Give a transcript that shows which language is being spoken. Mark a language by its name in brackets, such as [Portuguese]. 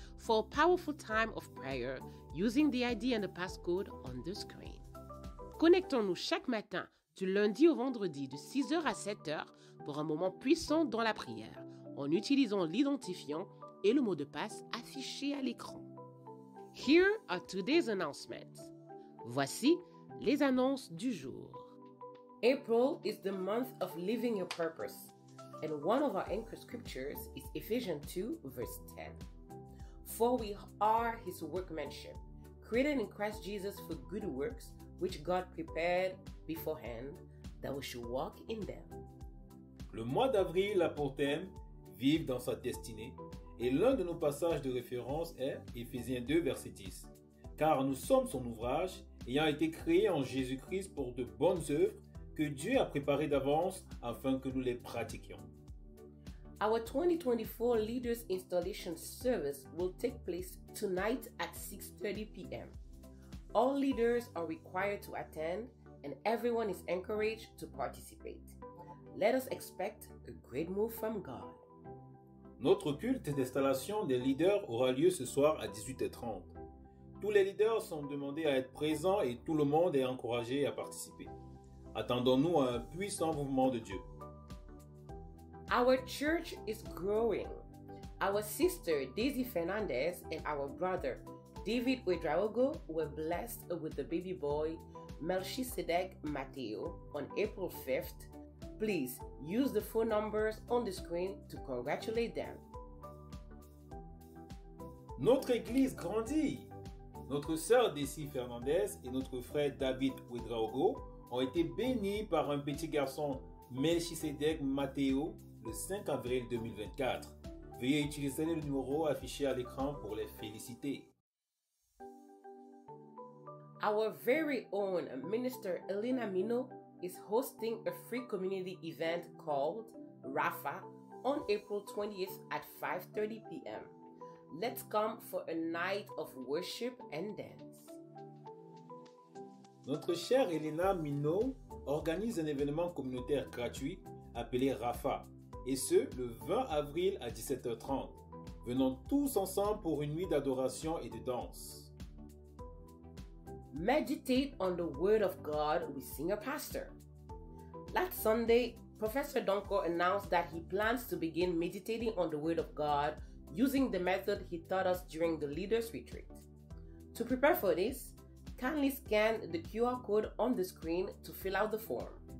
[English] for a powerful time of prayer using the ID and the passcode on the screen. [French] Connectons-nous chaque matin du lundi au vendredi de 6h à 7h pour un moment puissant dans la prière en utilisant l'identifiant et le mot de passe affiché à l'écran. [English] Here are today's announcements. [French] Voici les annonces du jour. [English] April is the month of living your purpose, and one of our anchor scriptures is Ephesians 2, verse 10. For we are his workmanship, created in Christ Jesus for good works, which God prepared beforehand, that we should walk in them. [French] Le mois d'avril a pour thème vivre dans sa destinée. Et l'un de nos passages de référence est Éphésiens 2, verset 10. Car nous sommes son ouvrage, ayant été créés en Jésus-Christ pour de bonnes œuvres que Dieu a préparées d'avance afin que nous les pratiquions. [English] Our 2024 Leaders Installation Service will take place tonight at 6:30 p.m. All leaders are required to attend and everyone is encouraged to participate. Let us expect a great move from God. [French] Notre culte d'installation des leaders aura lieu ce soir à 18h30. Tous les leaders sont demandés à être présents et tout le monde est encouragé à participer. Attendons-nous à un puissant mouvement de Dieu. [English] Our church is growing. Our sister Daisy Fernandez and our brother David Ouedraogo were blessed with the baby boy Melchizedek Mateo on April 5th. Please use the phone numbers on the screen to congratulate them. [French] Notre église grandit. Notre sœur Desi Fernandez et notre frère David Ouedraogo ont été bénis par un petit garçon Melchizedek Mateo le 5 avril 2024. Veuillez utiliser le numéro affiché à l'écran pour les féliciter. [English] Our very own Minister Elena Mino is hosting a free community event called Rafa on April 20th at 5:30 p.m. Let's come for a night of worship and dance. [French] Notre chère Elena Mino organise un événement communautaire gratuit appelé Rafa, et ce le 20 avril à 17h30. Venons tous ensemble pour une nuit d'adoration et de danse. [English] Meditate on the Word of God with Senior Pastor. Last Sunday, Professor Donkor announced that he plans to begin meditating on the Word of God using the method he taught us during the Leaders Retreat. To prepare for this, kindly scan the QR code on the screen to fill out the form.